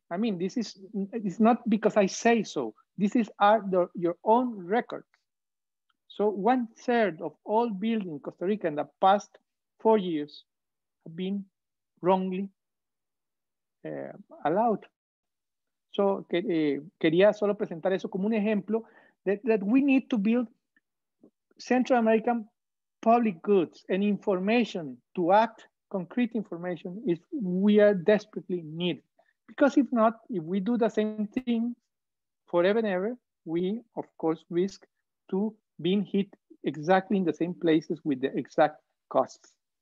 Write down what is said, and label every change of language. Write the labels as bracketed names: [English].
[English] I mean, it's not because I say so. This is your own record. So 1/3 of all buildings in Costa Rica in the past 4 years have been wrongly allowed. [Spanish] So quería solo presentar eso como un ejemplo. [English] That we need to build Central American public goods and information to act, concrete information is we are desperately need. Because if not, if we do the same thing forever and ever, we of course risk to being hit exactly in the same places with the exact costs.